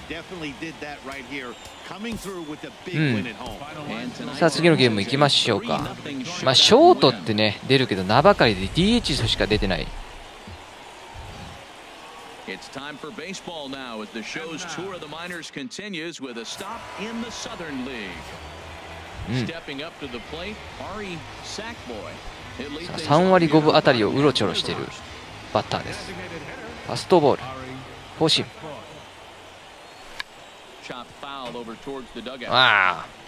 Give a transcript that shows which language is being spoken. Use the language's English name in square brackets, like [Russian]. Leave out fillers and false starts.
[Japanese] うん、さあ次のゲームいきましょうか。まあショートってね出るけど名ばかりで DH としか出てない。 [English] It's time for baseball now as the show's tour of the minors continues with a stop in the Southern League. Stepping up to the plate, Ari Sackboy. [Japanese] 3割5分あたりをうろちょろしているバッターです。ファストボール、フォーシーム。 [English] Chop foul over towards the dugout. ああ。